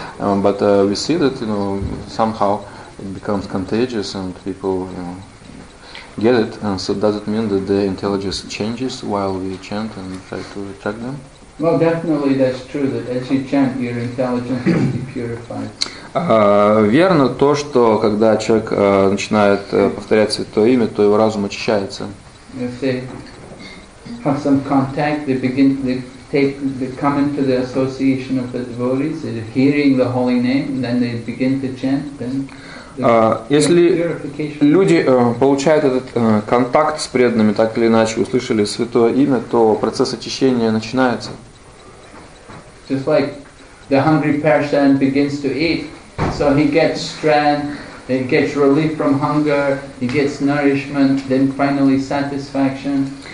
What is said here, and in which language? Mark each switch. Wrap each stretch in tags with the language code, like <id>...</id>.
<en>But we see that somehow it becomes contagious and people get it. And so does it mean that the intelligence changes while we chant and try to attract them? Well, definitely that's true, that as you chant, your intelligence will be purified.</en> <ru>Верно то, что когда человек начинает повторять Святое Имя, то его разум очищается.</ru> <en>If they have some contact, they come into the association of the devotees, they're hearing the holy name, and then they begin to chant, then...</en> <ru>Если люди получают этот контакт с преданными, так или иначе, услышали Святое Имя, то процесс очищения начинается.</ru> <en>Just like the hungry person begins to eat, so he gets strength, he gets relief from hunger, he gets nourishment, then finally satisfaction.</en>